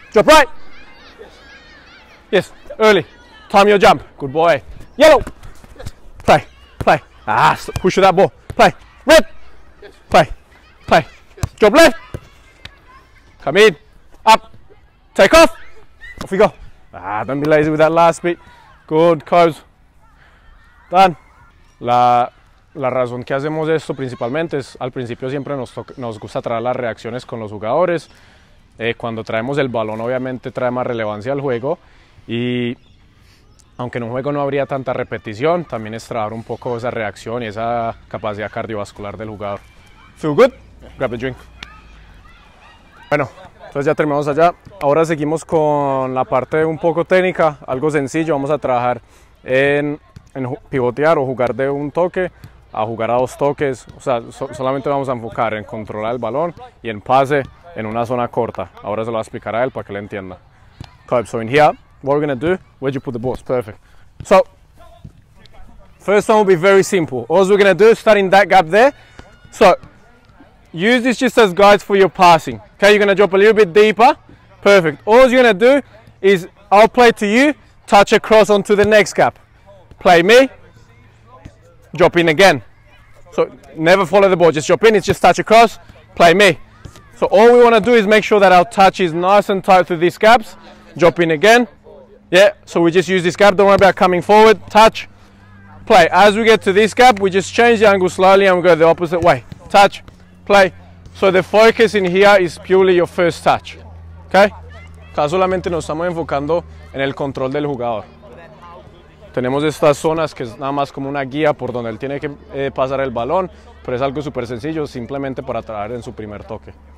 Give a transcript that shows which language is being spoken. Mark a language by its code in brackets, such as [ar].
[en] Drop right. Yes. Early. Time your jump. Good boy. Yellow. Play. Play. Ah, push that ball. Play. Red. Play. Play. Drop left. Come in. Up. Take off. Off we go. Ah, don't be lazy with that last bit. Good. Close. Done. [es] La razón que hacemos esto principalmente es, al principio siempre nos gusta traer las reacciones con los jugadores. Cuando traemos el balón, obviamente trae más relevancia al juego. Y aunque en un juego no habría tanta repetición, también es trabajar un poco esa reacción y esa capacidad cardiovascular del jugador. [en] Feel good? Grab a drink. [es] Bueno, entonces ya terminamos allá. Ahora seguimos con la parte un poco técnica, algo sencillo. Vamos a trabajar en pivotear o jugar de un toque a jugar a dos toques. O sea, solamente vamos a enfocar en controlar el balón y en pase en una zona corta. Ahora se lo va a explicar a él para que le entienda. [en] Okay, so in here, what we're gonna do, where'd you put the balls? Perfect. So, first one will be very simple. All we're gonna do is start in that gap there. So, use this just as guides for your passing. Okay, you're gonna drop a little bit deeper. Perfect. All you're gonna do is, I'll play to you, touch across onto the next gap. Play me, drop in again. So, never follow the ball, just drop in, it's just touch across, play me. So all we wanna do is make sure that our touch is nice and tight through these gaps. Drop in again. Yeah, so we just use this gap. Don't worry about coming forward. Touch, play. As we get to this gap, we just change the angle slowly and we go the opposite way. Touch, play. So the focus in here is purely your first touch. Okay? [es] Acá solamente nos estamos enfocando en el control del jugador. Tenemos estas zonas que es nada más como una guía por donde él tiene que pasar el balón, pero es algo súper sencillo, simplemente para traer en su primer toque.